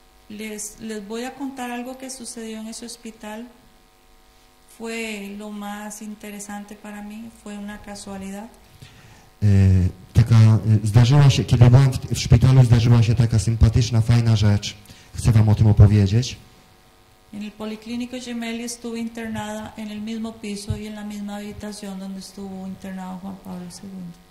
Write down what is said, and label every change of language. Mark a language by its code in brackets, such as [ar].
[es] Les voy a contar algo que sucedió en ese hospital. Fue lo más interesante para mí. Fue una casualidad. [pl] Taka zdarzyła się, kiedy byłam w szpitalu, zdarzyła się taka sympatyczna, fajna rzecz. Chcę wam o tym opowiedzieć. [es] En el Policlínico Gemelli estuve internada en el mismo piso y en la misma habitación donde estuvo internado Juan Pablo II.